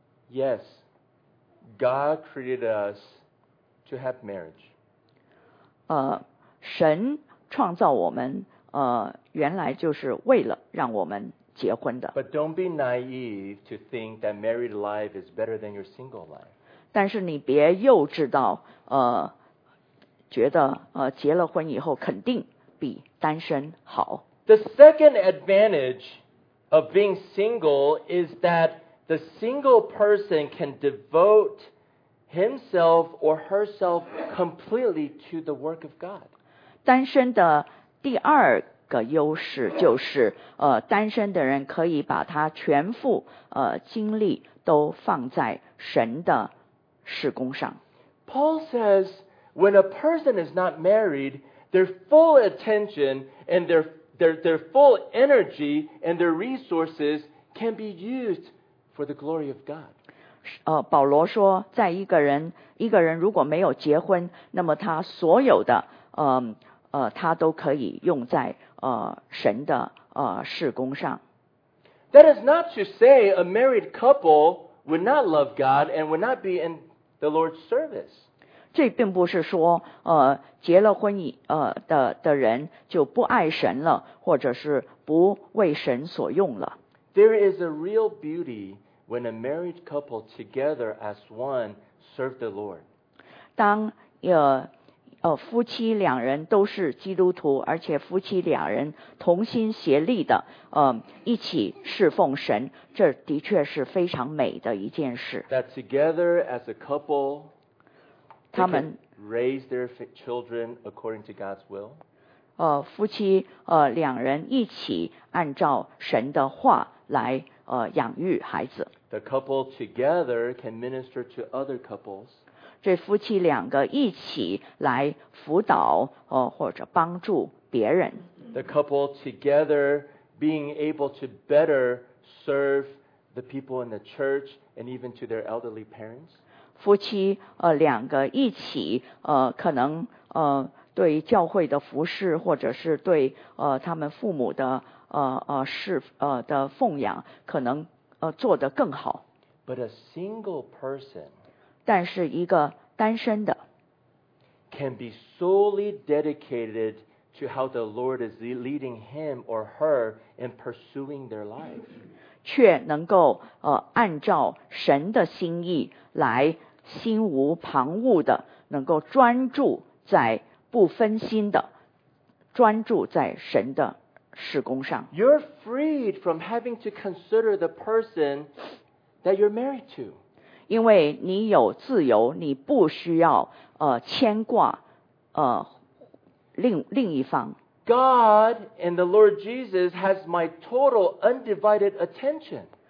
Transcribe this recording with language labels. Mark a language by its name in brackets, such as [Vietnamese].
[English] Yes, God created us to have marriage. [Chinese] 神创造我们，原来就是为了让我们结婚的。 [English] But don't be naive to think that married life is better than your single life. [Chinese] 但是你别幼稚到，觉得，结了婚以后肯定比单身好。 [English] The second advantage of being single is that the single person can devote himself or herself completely to the work of God. [Chinese] 单身的第二个优势就是，单身的人可以把他全部，精力都放在神的事工上。 [English] Paul says, when a person is not married, their full attention and their full energy and their resources can be used for the glory of God. [Chinese] 保罗说，在一个人如果没有结婚，那么他所有的，他都可以用在，神的，事工上。 [English] That is not to say a married couple would not love God and would not be in the Lord's service. [Chinese] 这并不是说，结了婚以，的人就不爱神了，或者是不为神所用了。 [English] There is a real beauty when a married couple together as one serve the Lord. [Chinese] 当，夫妻两人都是基督徒，而且夫妻两人同心协力的，一起侍奉神，这的确是非常美的一件事。 [English] That together as a couple, [Chinese] 他们 [English] raise their children according to God's will. [Chinese] 夫妻，两人一起按照神的话来，养育孩子。 [English] The couple together can minister to other couples. [Chinese] 这夫妻两个一起来辅导，或者帮助别人。 [English] The couple together being able to better serve the people in the church and even to their elderly parents. [Chinese] 夫妻，两个一起，可能，对教会的服事，或者是对，他们父母的，事，的奉养，可能，做得更好。 [English] But a single person. [Chinese] 但是一个单身的 [English] can be solely dedicated to how the Lord is leading him or her in pursuing their life. [Chinese] 却能够，按照神的心意来心无旁骛的，能够专注在不分心的，专注在神的事工上。 [English] You're freed from having to consider the person that you're married to. [Chinese] 因为你有自由，你不需要，牵挂，另一方。 [English] God and the Lord Jesus has my total undivided attention.